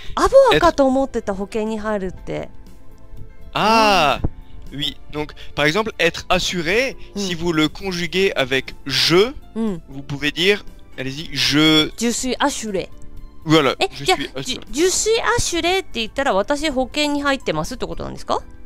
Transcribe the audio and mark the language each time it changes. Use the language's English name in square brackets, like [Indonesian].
[Japanese] あ、アボアかと思ってた、保険に入るって。 [French] Ah, oui. Donc, par exemple, être assuré, si vous le conjuguez avec je, vous pouvez dire, allez-y, je suis assuré. Voilà, je suis assuré. Je suis assuré [Japanese] って言ったら、私保険に入ってますってことなんですか？